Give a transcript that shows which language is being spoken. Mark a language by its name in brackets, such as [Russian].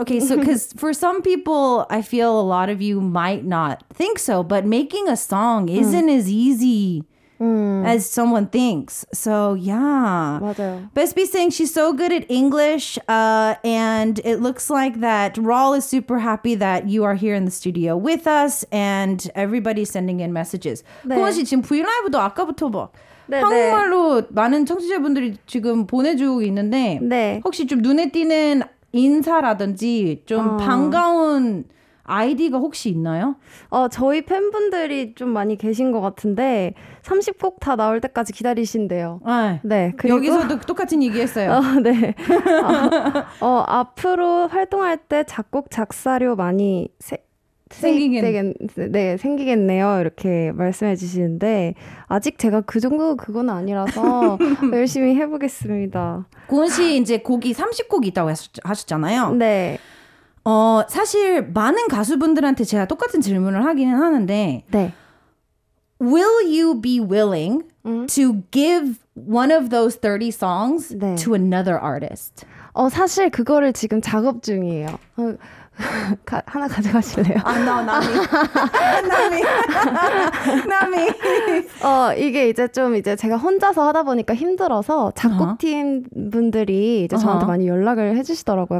[English] Okay, so because for some people, I feel a lot of you might not think so, but making a song isn't as easy as someone thinks. So yeah. [Korean] 맞아요. [English] Bespie's saying she's so good at English, and it looks like that Raul is super happy that you are here in the studio with us, and everybody's sending in messages. [Korean] 고은 씨 지금 브이라이브도 아까부터 막 한국말로 많은 청취자분들이 지금 보내주고 있는데 혹시 좀 눈에 띄는 인사라든지 좀 반가운 아이디가 혹시 있나요? 저희 팬분들이 좀 많이 계신 것 같은데 30곡 다 나올 때까지 기다리신대요. 네, 그리고 여기서도 똑같은 얘기했어요. 네. 앞으로 활동할 때 작곡 작사료 많이 생기겠네요. 이렇게 말씀해 주시는데 아직 제가 그 정도 그건 아니라서 열심히 해보겠습니다. 고은 씨 이제 곡이 30곡 있다고 하셨잖아요. 네. 사실 많은 가수분들한테 제가 똑같은 질문을 하기는 하는데 네. [English] Will you be willing to give one of those 30 songs [Korean] 네. [English] to another artist? [Korean] 사실 그거를 지금 작업 중이에요. 하나 가져가실래요? [English] 아, no, not me. [Korean] 이게 이제 좀 이제 제가 혼자서 하다 보니까 힘들어서 작곡팀 분들이 이제 저한테 많이 연락을 해주시더라고요.